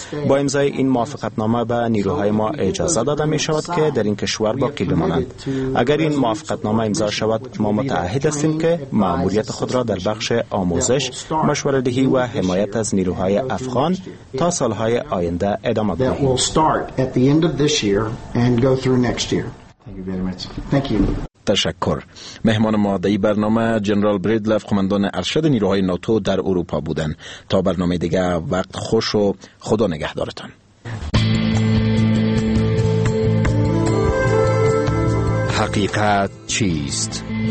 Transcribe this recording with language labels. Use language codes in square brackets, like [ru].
[fa] با امضای این موافقتنامه به نیروهای ما اجازه داده می شود که در این کشور باقی بمانند. اگر این موافقتنامه امضا شود، ما متعهد هستیم که ماموریت خود را در بخش آموزش، مشوره دهی و حمایت از نیروهای افغان تا سالهای آینده ادامه دهیم. [en] At the end of this year and go through next year. Thank you very much. Thank you. [fa] تشکر. مهمان ما در این برنامه جنرال بریدلف، قمندان ارشد نیروهای ناتو در اروپا بودند. تا برنامه دیگه، وقت خوش و خدا نگهدارتان. حقیقت چیست؟